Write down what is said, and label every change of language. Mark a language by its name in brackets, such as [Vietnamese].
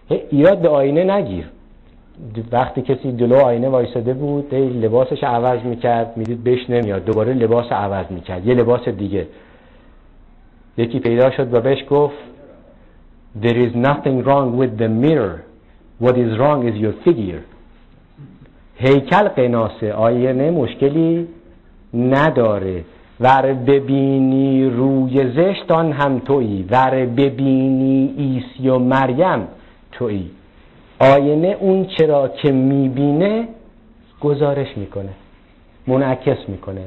[Persian] ایراد به آینه نگیر. وقتی کسی دلو آینه وایساده بود، لباسش عوض میکرد، میدید بهش نمیاد، دوباره لباس عوض میکرد، یه لباس دیگه، یکی پیدا شد و بهش گفت [English] There is nothing wrong with the mirror. What is wrong is your figure. [Persian] هیکل قناسه، آینه مشکلی نداره. ور ببینی روی زشتان هم تویی، ور ببینی عیسی و مریم تویی. آینه اون چرا که میبینه گزارش میکنه، منعکس میکنه.